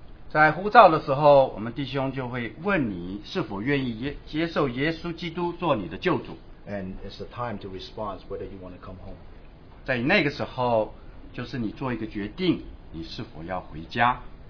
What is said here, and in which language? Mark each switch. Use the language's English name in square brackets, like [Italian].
[Chinese] 在呼召的时候，我们弟兄就会问你是否愿意接受耶稣基督做你的救主。 [English] And it's the time to respond whether you want to come home. [Chinese] 在那个时候，就是你做一个决定，你是否要回家。